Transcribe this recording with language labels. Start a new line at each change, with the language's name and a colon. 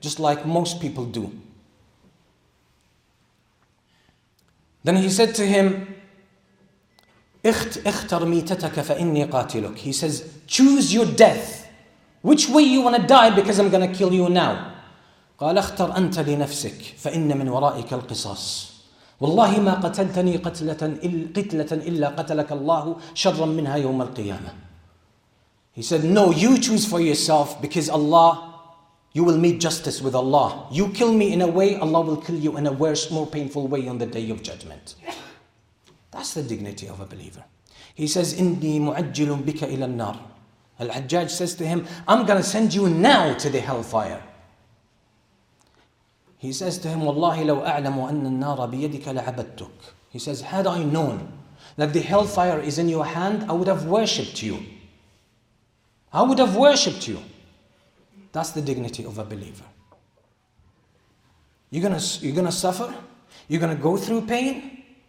English: Just like most people do. Then he said to him,
Arabic: اختر ميتتك فإني قاتلك.
English: He says, choose your death. Which way you want to die, because I'm going to kill you now.
Arabic: قال اختر أنت لنفسك فإن من ورائك القصاص. والله ما قتلتني قتلة إلا قتلك الله شرا منها يوم القيامة.
English: He said, no, you choose for yourself, because Allah, you will meet justice with Allah. You kill me in a way, Allah will kill you in a worse, more painful way on the Day of Judgment. That's the dignity of a believer. He says,
Arabic: إِنِّي مُعَجِّلٌ بِكَ إِلَى النَّارِ.
English: Al-Hajjaj says to him, I'm going to send you now to the hellfire. He says to him,
Arabic: وَاللَّهِ لَوْ أَعْلَمُ أَنَّ النَّارَ بِيَدِكَ لَعَبَدْتُكَ.
English: He says, had I known that the hellfire is in your hand, I would have worshipped you. I would have worshipped you. That's the dignity of a believer. You're gonna suffer. You're gonna go through pain.